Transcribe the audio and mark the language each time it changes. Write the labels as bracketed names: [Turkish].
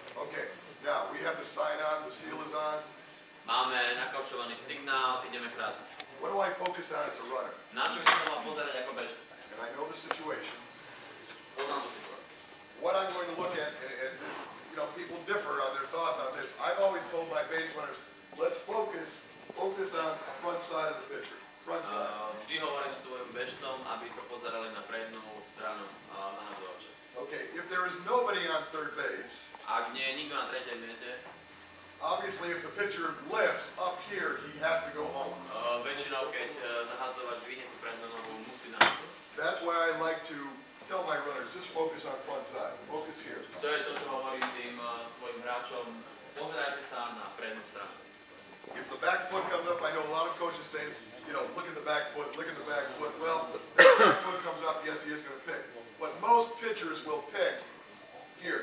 [English] Okay. Now, we have the sign on, the steel is on. [Slovak] Máme nakopčovaný signál, ideme hrať. [English] What do I focus on as a runner? [Slovak] Na čo by som mal pozerať ako bežec? [English] And I know the situation. [Slovak] Poznám tú situáciu. [English] What I'm going to look at, and you know, people differ on their thoughts on this. I've always told my base runners, let's focus on the front side of the pitcher. Front side. [Slovak] Vždy hovorím svojim bežcom, aby sa pozerali na prednú stranu nahazovača. [English] Okay, if there is nobody on third base, [Slovak] ak nie je nikto na tretej mete, [English] obviously if the pitcher lifts up here, he has to go home. [Slovak] Väčšinou, keď nahazovač dvihne tú prednú nohu, musí nahazovať. [English] That's why I like to tell my runners, just focus on front side, focus here. [Slovak] To je to, čo hovorím tým svojim hráčom, pozerajte sa na prednú stranu. [English] If the back foot comes up, I know a lot of coaches say, you know, look at the back foot, look at the back foot. Well, if the back foot comes up, yes, he is going to pick. But most pitchers will pick here.